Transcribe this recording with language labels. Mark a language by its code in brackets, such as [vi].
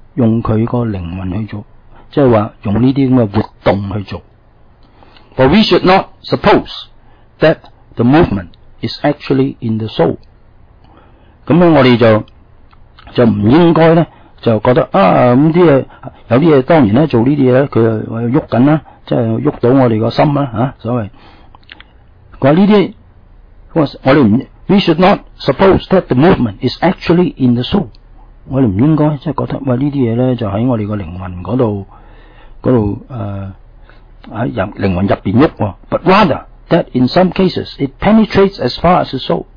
[yue] 用佢個靈魂去做，即係話用呢啲咁嘅活動去做。 [en] But we should not suppose that the movement is actually in the soul。 [yue] 咁咧，我哋就唔應該咧，就覺得啊咁啲嘢有啲嘢，當然咧做呢啲嘢咧，佢又喐緊啦，即係喐到我哋個心啦嚇、啊。所謂佢話呢啲，我哋唔。 [en] We should not suppose that the movement is actually in the soul。 [yue] 我哋唔應該即係覺得喂呢啲嘢咧就喺我哋個靈魂嗰度喺入靈魂入邊喐喎。 [en] But rather that in some cases it penetrates as far as the soul。